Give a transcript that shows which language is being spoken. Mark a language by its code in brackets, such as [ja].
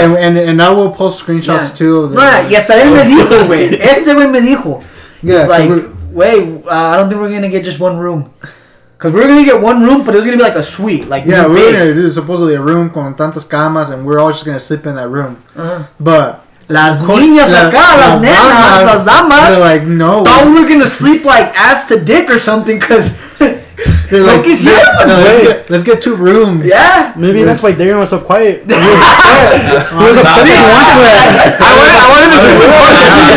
[en] And now we'll post screenshots too. Right. [es] Y hasta él me dijo, güey. Este güey me dijo. [en] Yeah. Wait, I don't think we're going to get just one room. Because we're going to get one room, but it was going to be like a suite. Like yeah, we're going to do supposedly a room [es] con tantas camas, [en] and we're all just going to sleep in that room. Uh-huh. But... [es] Las niñas acá, las nenas, las damas... [en] They're like, no. Thought we were going to sleep like ass to dick or something, because... They're like, is you? No, let's get two rooms. Yeah. Maybe that's why Darian was so quiet. He was upset. I wanted to sleep with Jorge.